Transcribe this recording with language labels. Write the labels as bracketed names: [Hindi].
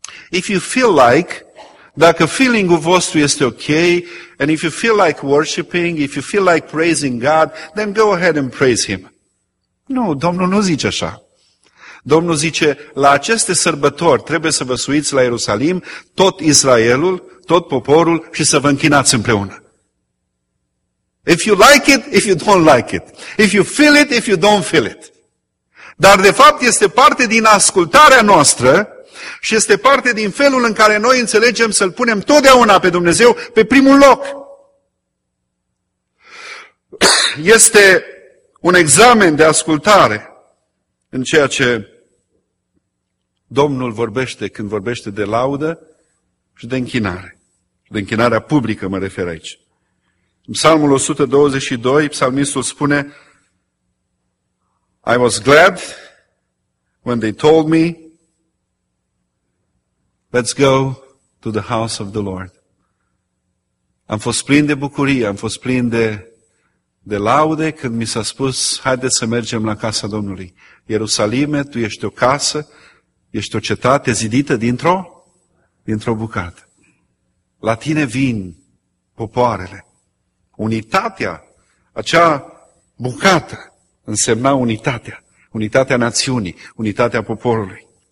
[English] If you feel like, [Romanian] dacă feeling-ul vostru este ok, [English] and if you feel like worshiping, if you feel like praising God, then go ahead and praise Him. [Romanian] Nu, Domnul nu zice așa. Domnul zice, la aceste sărbători trebuie să vă suiți la Ierusalim, tot Israelul, tot poporul și să vă închinați împreună. [English] If you like it, if you don't like it. If you feel it, if you don't feel it. [Romanian] Dar de fapt este parte din ascultarea noastră și este parte din felul în care noi înțelegem să-L punem totdeauna pe Dumnezeu pe primul loc. Este un examen de ascultare în ceea ce Domnul vorbește când vorbește de laudă și de închinare. De închinarea publică mă refer aici. În Psalmul 122, psalmistul spune, [English] I was glad when they told me, let's go to the house of the Lord. [Romanian] Am fost plin de bucurie, am fost plin de laude când mi s-a spus, haideți să mergem la casa Domnului. Ierusalime, tu ești o casă, ești o cetate zidită dintr-o bucată. La tine vin popoarele. Unitatea, acea bucată, însemna unitatea, unitatea națiunii, unitatea poporului.